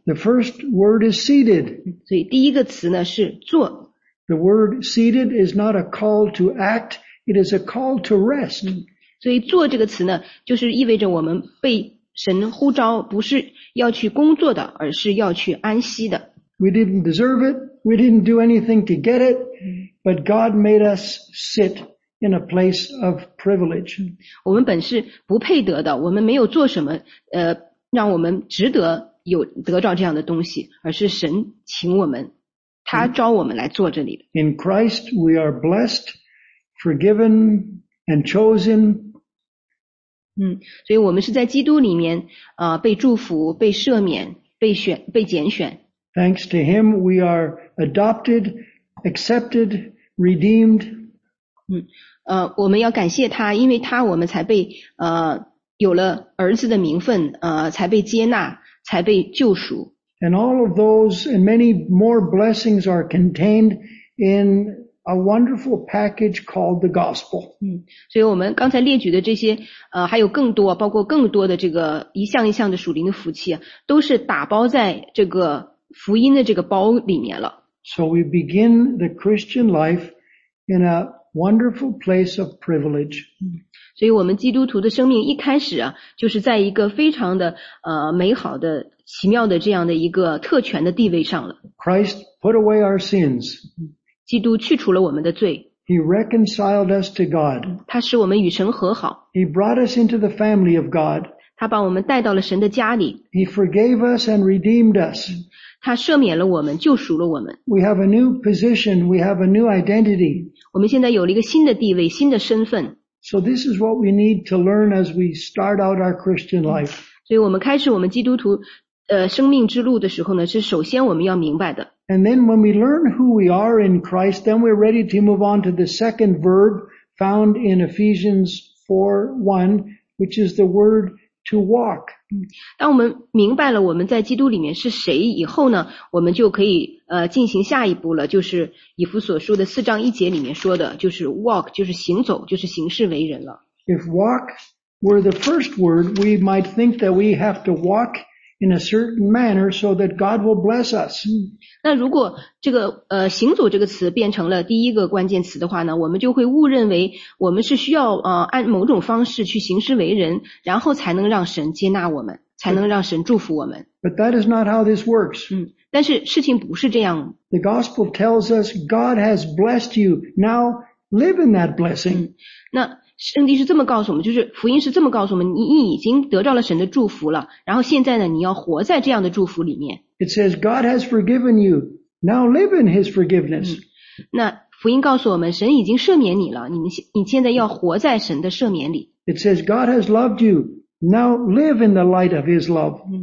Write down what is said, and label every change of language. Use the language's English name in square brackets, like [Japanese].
[English] The first word is seated. [Chinese] 所以第一个词呢是坐。 [English] The word seated is not a call to act, it is a call to rest. [Chinese] 所以坐这个词呢，就是意味着我们被神呼召，不是要去工作的，而是要去安息的。 [English] We didn't deserve it, we didn't do anything to get it, but God made us sit. In a place of privilege. [Chinese] 我们本是不配得的，我们没有做什么，让我们值得有得到这样的东西，而是神请我们，他招我们来坐这里的。 [English] In Christ, we are blessed, forgiven, and chosen. [Chinese] 所以我们是在基督里面，被祝福，被赦免，被拣选。 [English] Thanks to Him, we are adopted, accepted, redeemed. [Chinese] 我们要感谢他，因为他我们才被有了儿子的名分，才被接纳，才被救赎。 [English] And all of those and many more blessings are contained in a wonderful package called the gospel. [Chinese] 所以我们刚才列举的这些还有更多，包括更多的这个一项一项的属灵的福气，都是打包在这个福音的这个包里面了。 [English] So we begin the Christian life in a wonderful place of privilege. [Chinese] 所以我们基督徒的生命一开始啊，就是在一个非常的美好的奇妙的这样的一个特权的地位上了。 [English] Christ put away our sins. [Chinese] 基督去除了我们的罪。 [English] He reconciled us to God. [Chinese] 他使我们与神和好。 [English] He brought us into the family of God. [Chinese] 他把我们带到了神的家里。 [English] He forgave us and redeemed us. [Chinese] 他赦免了我们，救赎了我们。 [English] We have a new position, we have a new identity. [Chinese] 我们现在有了一个新的地位，新的身份。 [English] So this is what we need to learn as we start out our Christian life. [Chinese] 所以我们开始我们基督徒生命之路的时候呢，是首先我们要明白的。 [English] And then when we learn who we are in Christ, then we're ready to move on to the second verb found in Ephesians 4:1, which is the word to walk. [Chinese] 当我们明白了我们在基督里面是谁以后呢，我们就可以进行下一步了，就是以弗所书的四章一节里面说的，就是 walk, 就是行走，就是行事为人了。 [English] If walk were the first word, we might think that we have to walk in a certain manner so that God will bless us. [Chinese] 那如果这个行走这个词变成了第一个关键词的话呢，我们就会误认为我们是需要按某种方式去行事为人，然后才能让神接纳我们，才能让神祝福我们。 [English] But that is not how this works. [Chinese] 但是事情不是这样。 [English] The gospel tells us God has blessed you. Now live in that blessing. [Chinese] 那圣经是这么告诉我们，就是福音是这么告诉我们，你已经得到了神的祝福了，然后现在呢，你要活在这样的祝福里面。 [English] It says God has forgiven you. Now live in His forgiveness. [Chinese] 那福音告诉我们，神已经赦免你了，你现在要活在神的赦免里。 [English] It says God has loved you. Now live in the light of His love.